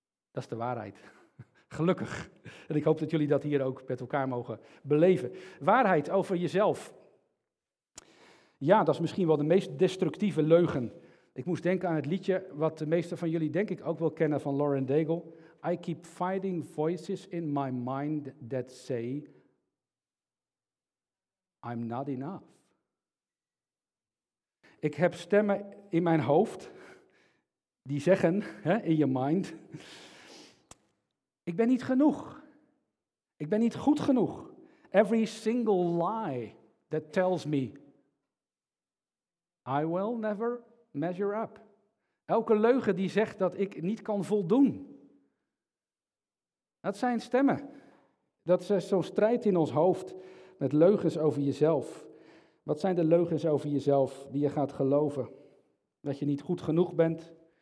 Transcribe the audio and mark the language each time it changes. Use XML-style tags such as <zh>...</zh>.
<nl>Dat is de waarheid. Gelukkig. En ik hoop dat jullie dat hier ook met elkaar mogen beleven. Waarheid over jezelf. Ja, dat is misschien wel de meest destructieve leugen. Ik moest denken aan het liedje wat de meeste van jullie denk ik ook wel kennen van Lauren Daigle.</nl> <en>I keep fighting voices in my mind that say, I'm not enough.</en> <nl>Ik heb stemmen in mijn hoofd die zeggen, hè, in je mind, ik ben niet genoeg. Ik ben niet goed genoeg.</nl> <en>Every single lie that tells me, I will never measure up.</en> <nl>Elke leugen die zegt dat ik niet kan voldoen. Dat zijn stemmen. Dat is zo'n strijd in ons hoofd met leugens over jezelf. Wat zijn de leugens over jezelf die je gaat geloven? Dat je niet goed genoeg bent.</nl>